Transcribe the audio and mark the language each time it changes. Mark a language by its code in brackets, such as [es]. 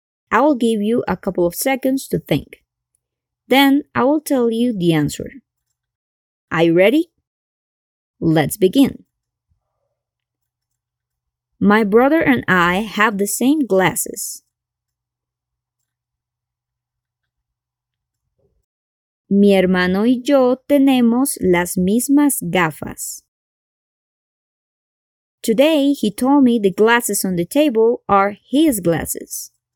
[en] I will give you a couple of seconds to think. Then I will tell you the answer. Are you ready? Let's begin. My brother and I have the same glasses. [es] Mi hermano y yo tenemos las mismas gafas. [en] Today he told me the glasses on the table are his glasses.